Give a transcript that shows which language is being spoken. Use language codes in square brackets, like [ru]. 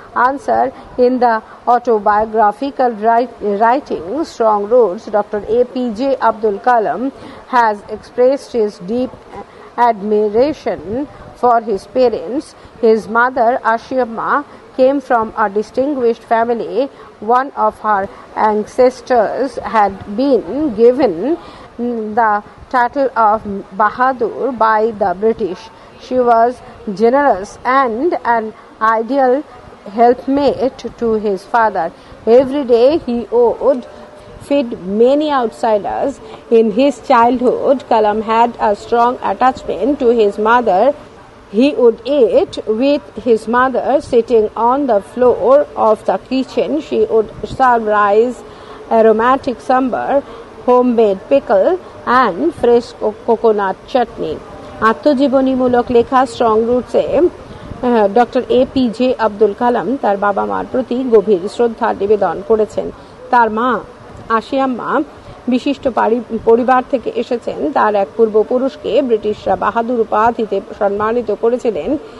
[en] Answer, in the autobiographical writing strong roads, doctor APJ Abdul Kalam has expressed his deep admiration for his parents. His mother Ashiamma came from a distinguished family. One of her ancestors had been given the title of Bahadur by the British. She was generous and an ideal helpmate to his father. Every day he would feed many outsiders. In his childhood, Kalam had a strong attachment to his mother. He would eat with his mother sitting on the floor of the kitchen. She would serve rice, aromatic sambar, homemade pickle and fresh coconut chutney. [bn] আত্মজীবনীমূলক লেখা strong রুটসে doctor APJ Abdul Kalam তার বাবা মার প্রতি গভীর শ্রদ্ধা নিবেদন করেছেন। তার মা আশিয়াম্মা বিশিষ্ট পরিবার থেকে এসেছেন। তার এক পূর্বপুরুষকে ব্রিটিশরা বাহাদুর উপাধিতে সম্মানিত করেছিলেন।